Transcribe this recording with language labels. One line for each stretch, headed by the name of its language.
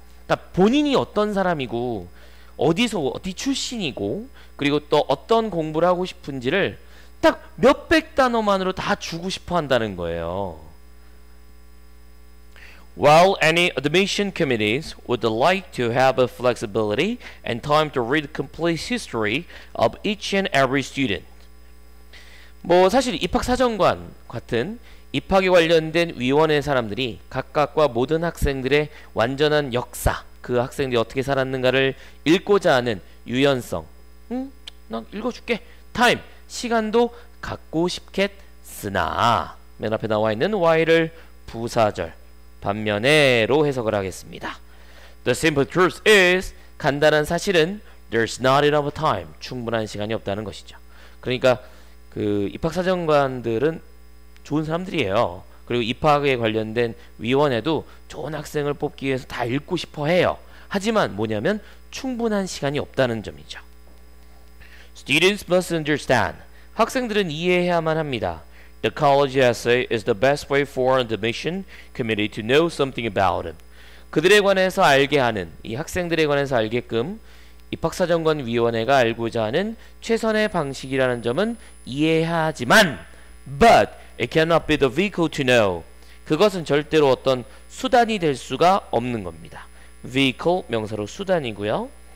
Korean: 그러니까 본인이 어떤 사람이고 어디서 어디 출신이고 그리고 또 어떤 공부를 하고 싶은지를 딱 몇백 단어만으로 다 주고 싶어 한다는 거예요.
English: While any admission committees would like to have a flexibility and time to read complete history of each and every student.
Korean: 뭐 사실 입학사정관 같은 입학에 관련된 위원회 사람들이 각각과 모든 학생들의 완전한 역사, 그 학생들이 어떻게 살았는가를 읽고자 하는 유연성. 난 읽어줄게. 타임, 시간도 갖고 싶겠으나 맨 앞에 나와 있는 why를 부사절. 반면에로 해석을 하겠습니다.
English: The simple truth is
Korean: 간단한 사실은
English: there's not enough time
Korean: 충분한 시간이 없다는 것이죠. 그러니까 그 입학사정관들은 좋은 사람들이에요. 그리고 입학에 관련된 위원회도 좋은 학생을 뽑기 위해서 다 읽고 싶어 해요. 하지만 뭐냐면 충분한 시간이 없다는 점이죠.
English: Students must understand.
Korean: 학생들은 이해해야만 합니다.
English: The college essay is the best way for an admission committee to know something about him.
Korean: 그들에 관해서 알게 하는, 이 학생들에 관해서 알게끔 입학사정관위원회가 알고자 하는 최선의 방식이라는 점은 이해하지만
English: But it cannot be the vehicle to know.
Korean: 그것은 절대로 어떤 수단이 될 수가 없는 겁니다. Vehicle, 명사로 수단이고요.